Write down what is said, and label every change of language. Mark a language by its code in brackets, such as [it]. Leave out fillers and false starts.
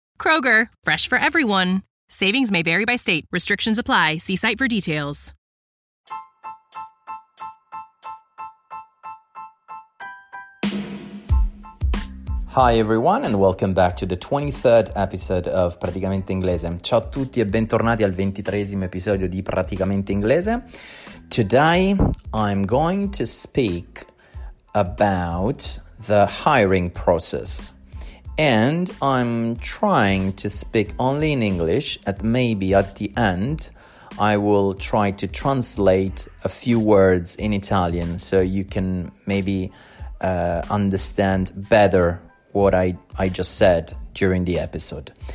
[en] Kroger, fresh for everyone. Savings may vary by state. Restrictions apply. See site for details. Hi everyone and welcome back to the 23rd episode of Praticamente Inglese. [it] Ciao a tutti e bentornati al 23esimo episodio di Praticamente Inglese. [en] Today I'm going to speak about the hiring process. And I'm trying to speak only in English, and maybe at the end I will try to translate a few words in Italian so you can maybe understand better what I just said during the episode.